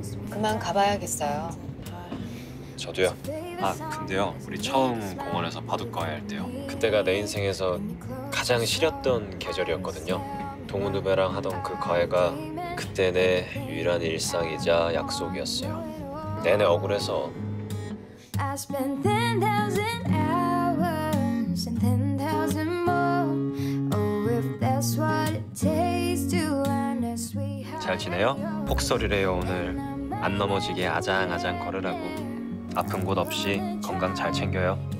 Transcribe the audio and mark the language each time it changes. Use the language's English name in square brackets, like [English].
[Korean] 그만 가봐야겠어요. 저도요. 아, 근데요. 우리 처음 공원에서 바둑과외 할 때요. 그때가 내 인생에서 가장 싫었던 계절이었거든요. 동훈 후배랑 하던 그 과외가 그때 내 유일한 일상이자 약속이었어요. 내내 억울해서 [English] I spent 10,000 hours and 10,000 more. Oh, if that's what it takes to earn a sweetheart. [Korean] 잘 지내요? 폭설이래요 오늘. 안 넘어지게 아장아장 걸으라고. 아픈 곳 없이 건강 잘 챙겨요.